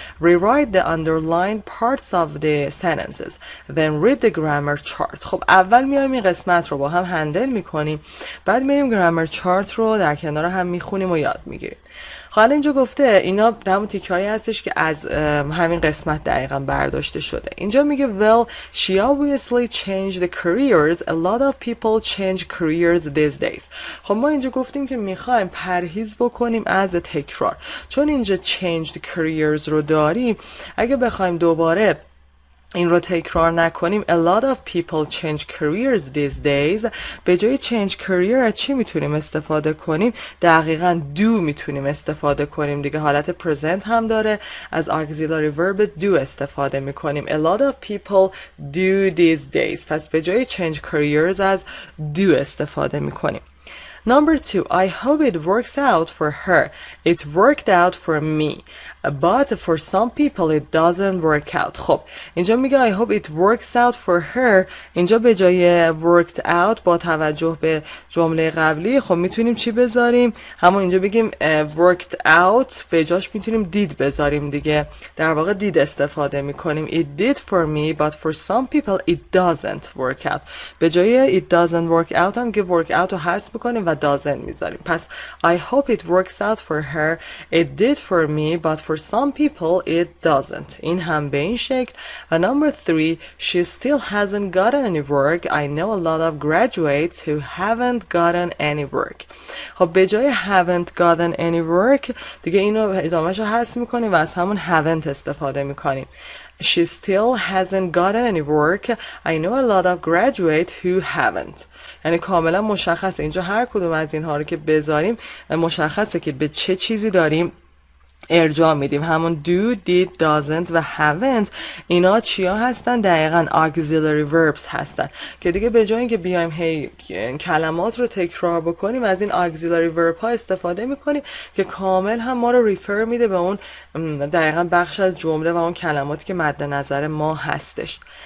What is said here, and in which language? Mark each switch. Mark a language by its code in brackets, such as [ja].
[en] Rewrite the underlined parts of the sentences, then read the grammar chart. [fa] خب اول میایم این قسمت رو با هم هندل میکنیم، بعد میریم گرامر چارت رو در کنار هم میخونیم و یاد میگیریم. حالا اینجا گفته اینا دمو تیکایی هستش که از همین قسمت دقیقا برداشته شده. اینجا میگه [en] Well, she obviously changed the careers. A lot of people change careers these days. [fa] خب ما اینجا گفتیم که میخوایم پرهیز بکنیم از تکرار، چون اینجا [en] changed careers [fa] رو داریم. اگه بخوایم دوباره این رو تکرار نکنیم. [en] A lot of people change careers these days. [fa] به جای [en] change career [fa] چی میتونیم استفاده کنیم؟ دقیقا do میتونیم استفاده کنیم. دیگه حالت present هم داره. از auxiliary verb do استفاده میکنیم. [en] A lot of people do these days. [fa] پس به جای change careers از do استفاده میکنیم. [en] Number two, I hope it works out for her. It worked out for me. But for some people it doesn't work out. [fa] خب اینجا میگه [en] I hope it works out for her. [fa] اینجا به جای [en] worked out [fa] با توجه به جمله قبلی خب میتونیم چی بذاریم؟ همون اینجا بگیم worked out به جاش میتونیم did بذاریم دیگه. در واقع did استفاده میکنیم. [en] It did for me but for some people it doesn't work out. [fa] به جای [en] it doesn't work out [fa] هم که work out رو حذف میکنیم و doesn't میذاریم. پس [en] I hope it works out for her. It did for me but for some people it doesn't. [fa] این هم به این شکل. و [en] number three, she still hasn't gotten any work. I know a lot of graduates who haven't gotten any work. [fa] خب به جای [en] haven't gotten any work [fa] دیگه اینو ادامهشو حذف میکنیم و از همون haven't استفاده میکنیم. [en] She still hasn't gotten any work. I know a lot of graduates who haven't. [fa] یعنی کاملا مشخصه اینجا هر کدوم از اینها رو که بذاریم مشخصه که به چه چیزی داریم ارجاع میدیم. همون do, did, doesn't و haven't اینا چیا هستن؟ دقیقاً auxiliary verbs هستن که دیگه به جای اینکه بیایم هی کلمات رو تکرار بکنیم از این auxiliary verb ها استفاده میکنیم که کامل هم ما رو refer میده به اون دقیقاً بخش از جمله و اون کلماتی که مد نظر ما هستش.